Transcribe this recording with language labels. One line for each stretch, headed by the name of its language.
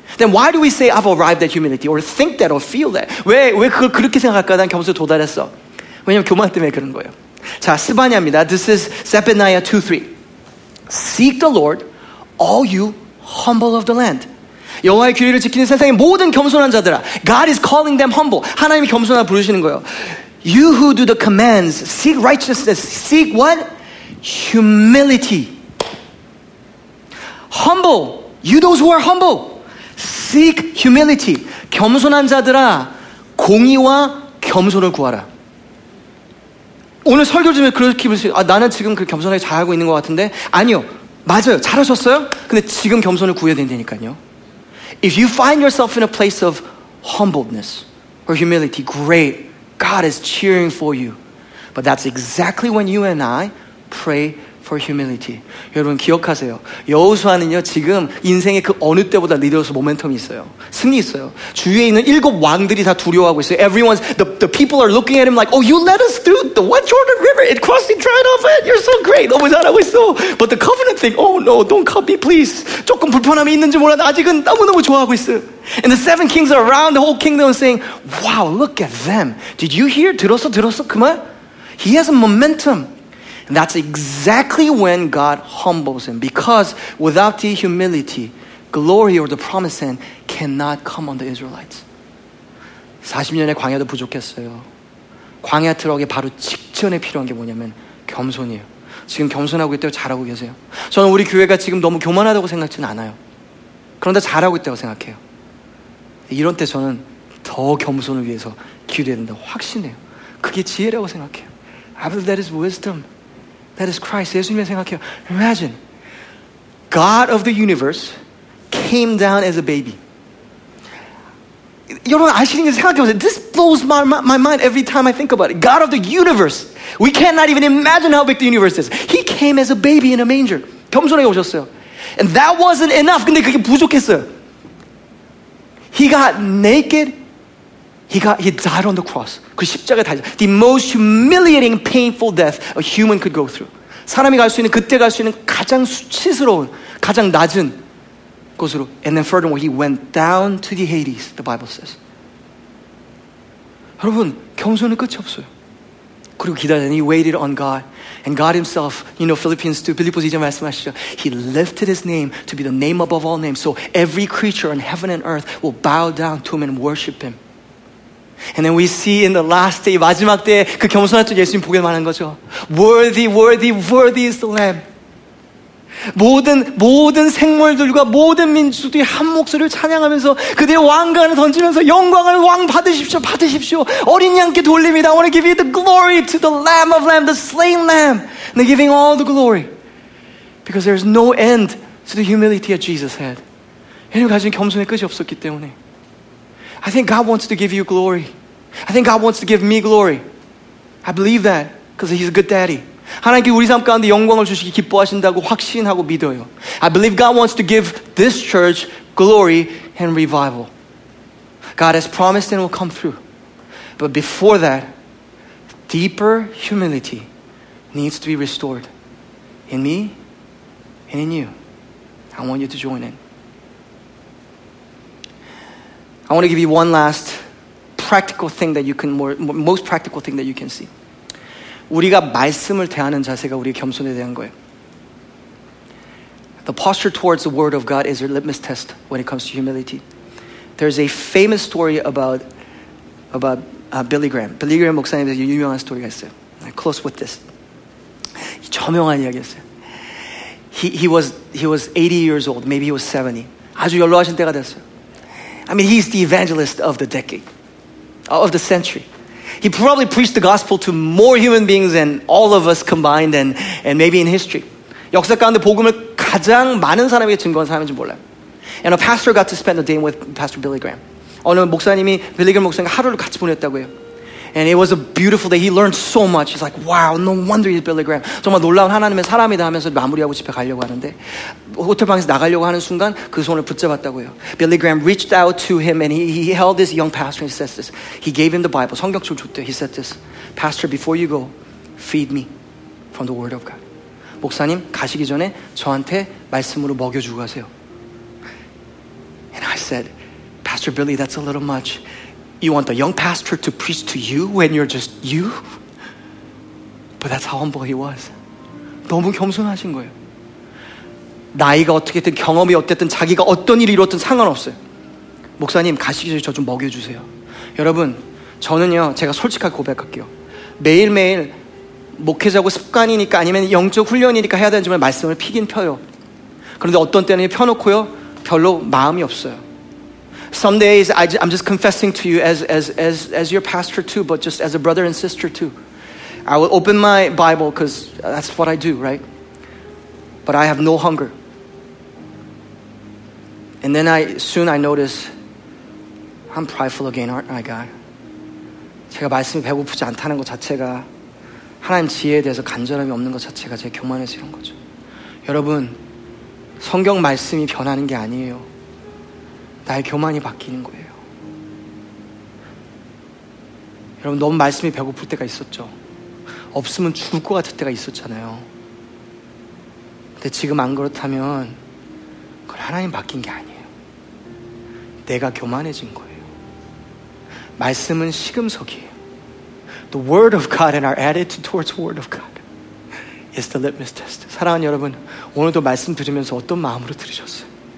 English: Then why do we say I've arrived at humility or think that or feel that?
Korean: 왜 그걸 그렇게 생각할까? 난 겸손에 도달했어. 왜냐면 교만 때문에 그런 거예요. 자, 스바냐입니다.
English: This is Zephaniah 2:3. Seek the Lord, all you humble of the land.
Korean: 여호와의 규례를 지키는 세상의 모든 겸손한 자들아.
English: God is calling them humble.
Korean: 하나님이 겸손하다 부르시는 거예요.
English: You who do the commands, seek righteousness. Seek what? Humility. Humble. You those who are humble. Seek humility.
Korean: 겸손한 자들아, 공의와 겸손을 구하라. 오늘 설교 중에 그렇게 보세요. 아, 나는 지금 그 겸손하게 잘하고 있는 것 같은데. 아니요. 맞아요. 잘하셨어요. 근데 지금 겸손을 구해야 된다니까요.
English: If you find yourself in a place of humbleness or humility, great. God is cheering for you. But that's exactly when you and I pray for for humility.
Korean: 여러분 기억하세요. 여호수아는요 지금 인생의 그 어느 때보다 리더로서 모멘텀이 있어요. 승리 있어요. 주위에 있는 일곱 왕들이 다 두려워하고 있어요.
English: Everyone's the people are looking at him like, oh, you led us through the what Jordan River? It crossed the dried off it. You're so great. Oh,
Korean: 너무 잘하고 있어.
English: But the covenant thing, oh no, don't cut me, please.
Korean: 조금 불편함이 있는지 몰라도 아직은 너무너무 좋아하고 있어.
English: And the seven kings are around the whole kingdom saying, wow, look at them. Did you hear?
Korean: 들었어? 들었어? 그 말?
English: He has a momentum. And that's exactly when God humbles him. Because without the humility, glory or the promised land cannot come on the Israelites.
Korean: 40년의 광야도 부족했어요. 광야 트럭에 바로 직전에 필요한 게 뭐냐면 겸손이에요. 지금 겸손하고 있대요. 잘하고 계세요. 저는 우리 교회가 지금 너무 교만하다고 생각지는 않아요. 그런데 잘하고 있다고 생각해요. 이런 때 저는 더 겸손을 위해서 기도해야 된다고 확신해요. 그게 지혜라고 생각해요.
English: I believe that is wisdom. That is Christ.
Korean: 예수님을 생각해요.
English: Imagine, God of the universe came down as a baby.
Korean: 여러분 아시는 게 생각해보세요.
English: This blows my mind every time I think about it. God of the universe. We cannot even imagine how big the universe is. He came as a baby in a manger.
Korean: 겸손하게 오셨어요.
English: And that wasn't enough.
Korean: 근데 그게 부족했어요.
English: He got naked. He died on the cross.
Korean: 그 십자가에 달려.
English: The most humiliating, painful death a human could go through.
Korean: 사람이 갈 수 있는, 그때 갈 수 있는 가장 수치스러운, 가장 낮은 곳으로.
English: And then furthermore, he went down to the Hades, the Bible says.
Korean: 여러분, 겸손은 끝이 없어요. 그리고 기다리더니
English: he waited on God. And God himself, you know, Philippians 2,
Korean: 빌립보서 2장 말씀하시죠.
English: He lifted his name to be the name above all names. So every creature in heaven and earth will bow down to him and worship him. And then we see in the last day,
Korean: 마지막 때 그 겸손한 쪽 예수님 보게 되는 거죠.
English: Worthy, worthy, worthy is the Lamb.
Korean: 모든 생물들과 모든 민족들이 한 목소리를 찬양하면서 그들의 왕관을 던지면서 영광을 왕 받으십시오, 받으십시오. 어린 양께 돌립니다.
English: I want to give you the glory to the Lamb of Lamb, the slain Lamb. And they're giving all the glory. Because there is no end to the humility that Jesus had.
Korean: 예수님 가진 겸손의 끝이 없었기 때문에.
English: I think God wants to give you glory. I think God wants to give me glory. I believe that because he's a good daddy.
Korean: 하나님께 우리 삶 가운데 영광을 주시기 기뻐하신다고 확신하고 믿어요.
English: I believe God wants to give this church glory and revival. God has promised and will come through. But before that, deeper humility needs to be restored in me and in you. I want you to join in. I want to give you one last practical thing that you can, most practical thing that you can see.
Korean: 우리가 말씀을 대하는 자세가 우리의 겸손에 대한 거예요.
English: The posture towards the word of God is a litmus test when it comes to humility. There's a famous story about Billy Graham.
Korean: Billy Graham 목사님의 유명한 스토리가 있어요.
English: I close with this.
Korean: 저명한 이야기였어요.
English: He was 80 years old. Maybe he was 70.
Korean: 아주 연로하신 때가 됐어요.
English: I mean, he's the evangelist of the decade, of the century. He probably preached the gospel to more human beings than all of us combined and maybe in history.
Korean: 역사 가운데 복음을 가장 많은 사람에게 증거한 사람인지 몰라요.
English: And a pastor got to spend a day with Pastor Billy Graham.
Korean: 어느 목사님이 빌리 그램 목사님과 하루를 같이 보냈다고요.
English: And it was a beautiful day. He learned so much. He's like, wow, no wonder he's Billy Graham.
Korean: 정말 놀라운 하나님의 사람이다 하면서 마무리하고 집에 가려고 하는데 호텔방에서 나가려고 하는 순간 그 손을 붙잡았다고요.
English: Billy Graham reached out to him and he held this young pastor and he says this. He gave him the Bible.
Korean: 성경책을 줬대요.
English: He said this. Pastor, before you go, feed me from the word of God.
Korean: 목사님, 가시기 전에 저한테 말씀으로 먹여주고 가세요.
English: And I said, Pastor Billy, that's a little much. You want the young pastor to preach to you when you're just you? But that's how humble he was.
Korean: 너무 겸손하신 거예요. 나이가 어떻게든 경험이 어땠든 자기가 어떤 일을 이뤘든 상관없어요. 목사님 가시기 전에 저 좀 먹여주세요. 여러분 저는요 제가 솔직하게 고백할게요. 매일매일 목회자고 습관이니까 아니면 영적 훈련이니까 해야 되는지만 말씀을 피긴 펴요. 그런데 어떤 때는 펴놓고요 별로 마음이 없어요.
English: Some days I'm just confessing to you as your pastor too, but just as a brother and sister too. I will open my Bible because that's what I do, right? But I have no hunger. And then I notice I'm prideful again, aren't I, God?
Korean: 제가 말씀이 배고프지 않다는 것 자체가 하나님 지혜에 대해서 간절함이 없는 것 자체가 제 교만해서 이런 거죠. 여러분, 성경 말씀이 변하는 게 아니에요. 나의 교만이 바뀌는 거예요. 여러분, 너무 말씀이 배고플 때가 있었죠. 없으면 죽을 것 같을 때가 있었잖아요. 근데 지금 안 그렇다면 그걸 하나님 바뀐 게 아니에요. 내가 교만해진 거예요. 말씀은 식음석이에요.
English: The word of God and our attitude towards the word of God is the litmus test.
Korean: 사랑하는 여러분, 오늘도 말씀 들으면서 어떤 마음으로 들으셨어요?